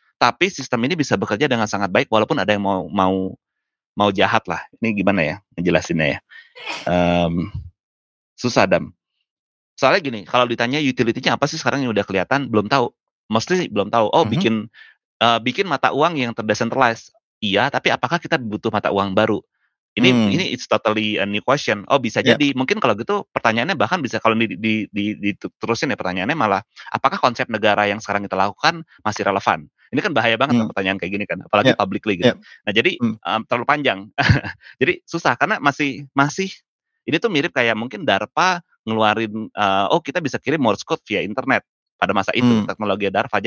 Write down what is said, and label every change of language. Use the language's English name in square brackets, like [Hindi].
[Indonesian] Tapi sistem ini bisa bekerja dengan sangat baik walaupun ada yang mau jahat lah. Ini gimana ya menjelasinnya ya? Susah Adam. Soalnya gini, kalau ditanya utility-nya apa sih sekarang yang udah kelihatan, belum tahu. Mostly belum tahu. Oh, bikin mata uang yang terdecentralized. Iya, tapi apakah kita butuh mata uang baru? [English] Ini it's totally a new question. [Indonesian] Oh, bisa jadi. Mungkin kalau gitu pertanyaannya bahkan bisa, kalau diterusin ya pertanyaannya malah, apakah konsep negara yang sekarang kita lakukan masih relevan? Ini kan bahaya banget pertanyaan kayak gini kan, apalagi publicly gitu. Nah, jadi terlalu panjang. Jadi susah, karena masih, ini tuh mirip kayak mungkin DARPA ngeluarin, kita bisa kirim Morse code via internet pada masa itu, teknologi DARPA.